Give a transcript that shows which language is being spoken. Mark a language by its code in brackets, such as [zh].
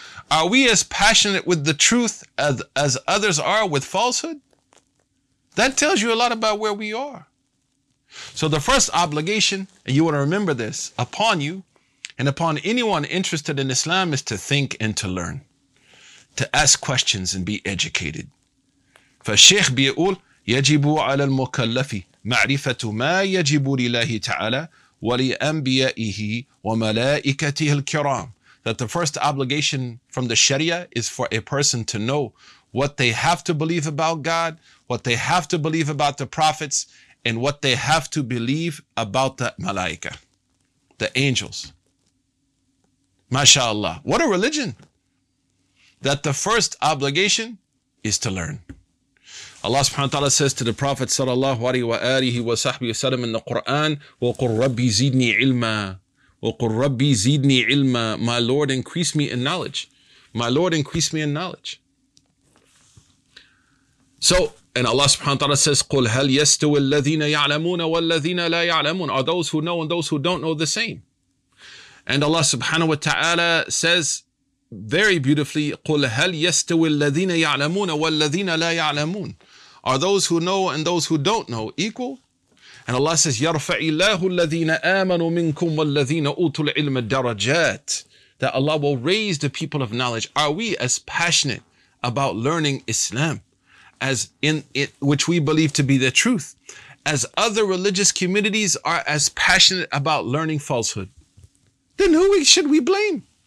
[en] Are we as passionate with the truth as others are with falsehood? That tells you a lot about where we are. So the first obligation, and you want to remember this, upon you, and upon anyone interested in Islam, is to think and to learn, to ask questions and be educated. [ar] فالشيخ بيقول يجب على المكلف معرفة ما يجب لله تعالى ولأنبيائه وملائكته الكرام. [en] That the first obligation from the Sharia is for a person to know what they have to believe about God, what they have to believe about the prophets, and what they have to believe about the malaika, the angels. MashaAllah. What a religion. That the first obligation is to learn. Allah subhanahu wa ta'ala says to the Prophet sallallahu alayhi wa sahbihi wa sallam in the Quran, [ar] وَقُلْ رَبِّي زِيدْنِي عِلْمًا [en] وَقُلْ رَبِّي زِيدْنِي عِلْمًا. My Lord, increase me in knowledge. My Lord, increase me in knowledge. So, and Allah subhanahu wa ta'ala says, [ar] قُلْ هَلْ يَسْتُوِ الَّذِينَ يَعْلَمُونَ وَالَّذِينَ لَا يَعْلَمُونَ. [en] Are those who know and those who don't know the same? And Allah subhanahu wa ta'ala says very beautifully, [ar] قُلْ هَلْ يَسْتُوِ الَّذِينَ يَعْلَمُونَ وَالَّذِينَ لَا يَعْلَمُونَ. [en] Are those who know and those who don't know equal? And Allah says, [ar] يَرْفَعِ اللَّهُ الَّذِينَ آمَنُوا مِنْكُمْ وَالَّذِينَ أُوتُوا الْعِلْمَ الدَّرَجَاتِ. [en] That Allah will raise the people of knowledge. Are we as passionate about learning Islam as in it, which we believe to be the truth, as other religious communities are as passionate about learning falsehood? Then who should we blame?